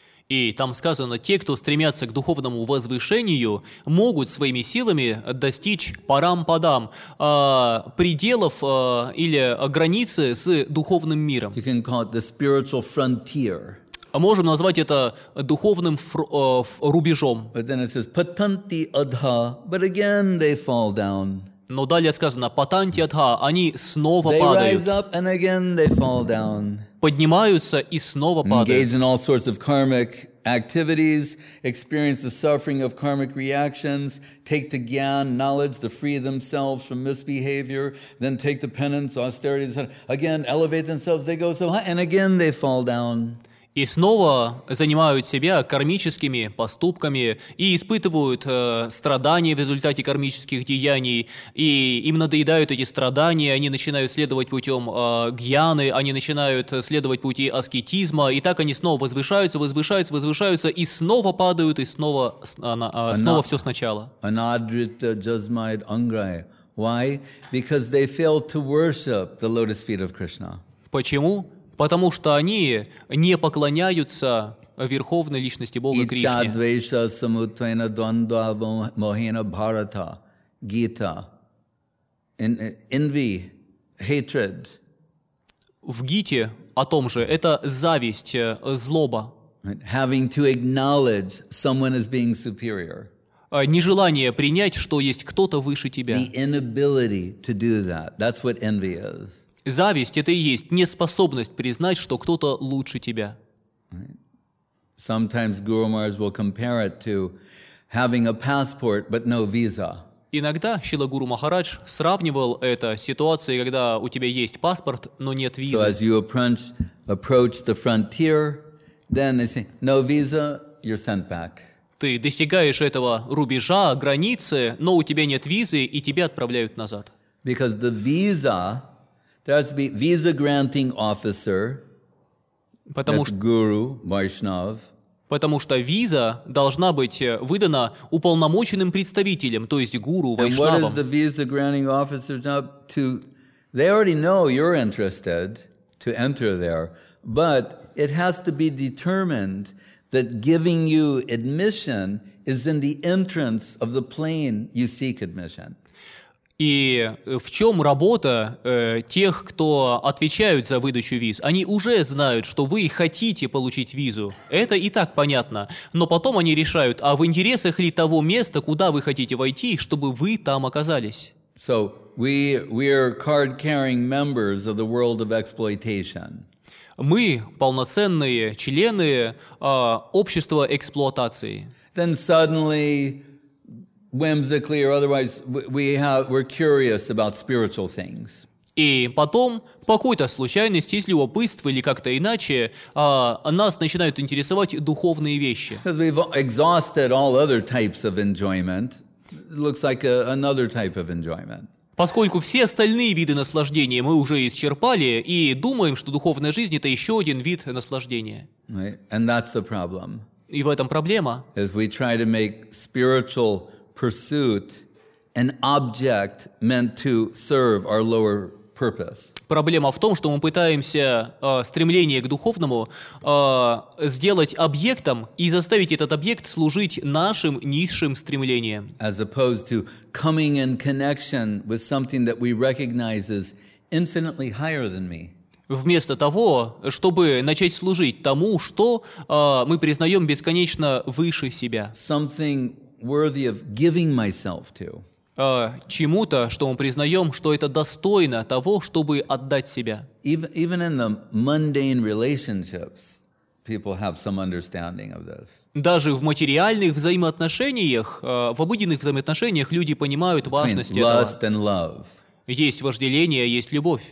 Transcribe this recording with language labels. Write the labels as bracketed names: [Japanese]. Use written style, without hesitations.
[Russian] И там сказано, те, кто стремятся к духовному возвышению, могут своими силами достичь парам-падам, пределов или границы с духовным миром. [English] You can call it the spiritual frontier. [Russian] Можем назвать это духовным рубежом. [English] But then it says, patanti adha, but again they fall down. [Russian] Но далее сказано, патанти адха, они снова падают. [English] They rise up and again they fall down. [Russian] Поднимаются и снова падают. [English] Engage in all sorts of karmic activities, experience the suffering of karmic reactions, take the gyan, knowledge to free themselves from misbehavior, then take the penance, austerity, etc. Again, elevate themselves, they go so high, and again they fall down. [Russian] И снова занимают себя кармическими поступками и испытывают страдания в результате кармических деяний. И им надоедают эти страдания, они начинают следовать путем гьяны, они начинают следовать пути аскетизма. И так они снова возвышаются, возвышаются, возвышаются и снова падают, и снова, снова все сначала. [Sanskrit] Anadrita jasmaid angray. [English] Why? Because they fail to worship the lotus feet of Krishna. [Russian] Почему? Потому что они не поклоняются Верховной Личности Бога Кришне. [Sanskrit] Ича двейша самутвена дванда мохена бхарата, гита. [English] Envy, hatred. [Russian] В гите о том же, это зависть, злоба. [English] Having to acknowledge someone as being superior. [Russian] Нежелание принять, что есть кто-то выше тебя. [English] The inability to do that. That's what envy is. [Russian] Зависть — это и есть неспособность признать, что кто-то лучше тебя. [English] Sometimes Guru Maharaj will compare it to having a passport, but no visa. [Russian] Иногда Шрила Гуру Махарадж сравнивал это с ситуацией, когда у тебя есть паспорт, но нет визы. [English] So as you approach the frontier, then they say, no visa, you're sent back. [Russian] Ты достигаешь этого рубежа, границы, но у тебя нет визы, и тебя отправляют назад. [English] Because the visa... There has to be visa granting officer. [Russian] Потому [English] that's guru, Vaishnav. [Russian] Потому что виза должна быть выдана уполномоченным представителем, то есть гуру, вайшнавам. [English] And what is the visa granting officer job to? They already know you're interested to enter there, but it has to be determined that giving you admission is in the entrance of the plane you seek admission. [Russian] И в чем работа тех, кто отвечают за выдачу виз? Они уже знают, что вы хотите получить визу. Это и так понятно. Но потом они решают, а в интересах ли того места, куда вы хотите войти, чтобы вы там оказались? [English] So we are card-carrying members of the world of exploitation. [Russian] Мы полноценные члены общества эксплуатации. [English] Then suddenly... whimsically or otherwise, we're curious about spiritual things. [Russian] И потом, по какой-то случайности, из любопытства или как-то иначе, нас начинают интересовать духовные вещи. [English] Because we've exhausted all other types of enjoyment, it looks like another type of enjoyment. [Russian] Поскольку все остальные виды наслаждения мы уже исчерпали и думаем, что духовная жизнь — это еще один вид наслаждения. [English] Right? And that's the problem. [Russian] И в этом проблема. [English] As we try to make spiritual pursuit an object meant to serve our lower purpose. [Russian] Проблема в том, что мы пытаемся стремление к духовному сделать объектом и заставить этот объект служить нашим низшим стремлениям. [English] As opposed to coming in connection with something that we recognize as infinitely higher than me. [Russian] Вместо того, чтобы начать служить тому, что мы признаем бесконечно выше себя. [English] Something worthy of giving myself to. [Russian] Чему-то, что мы признаем, что это достойно того, чтобы отдать себя. [English] Even in the mundane relationships, people have some understanding of this. [Russian] Даже в материальных взаимоотношениях, в обыденных взаимоотношениях люди понимают важность этого. [English] Lust and love. [Russian] Есть вожделение, есть любовь.